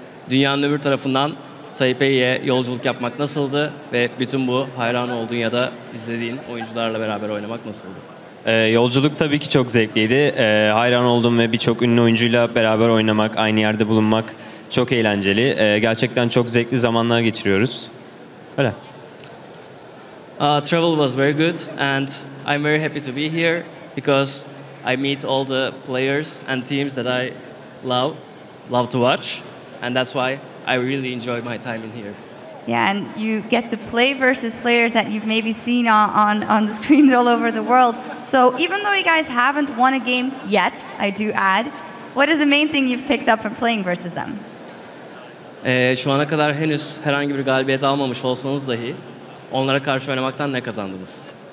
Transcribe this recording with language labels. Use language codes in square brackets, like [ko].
[tr] Dünyanın öbür tarafından Taipei'ye yolculuk yapmak nasıldı ve bütün bu hayran olduğun ya da izlediğin oyuncularla beraber oynamak nasıldı? Yolculuk tabii ki çok zevkliydi. Hayran olduğum ve birçok ünlü oyuncuyla beraber oynamak, aynı yerde bulunmak çok eğlenceli. Gerçekten çok zevkli zamanlar geçiriyoruz. Öyle. [en] Travel was very good and I'm very happy to be here because I meet all the players and teams that I love to watch and that's why I really enjoy my time in here. Yeah, and you get to play versus players that you've maybe seen on the screens all over the world. So even though you guys haven't won a game yet, I do add, what is the main thing you've picked up from playing versus them? [tr] Şu ana kadar henüz herhangi bir galibiyet almamış olsanız dahi, onlara karşı oynamaktan ne kazandınız?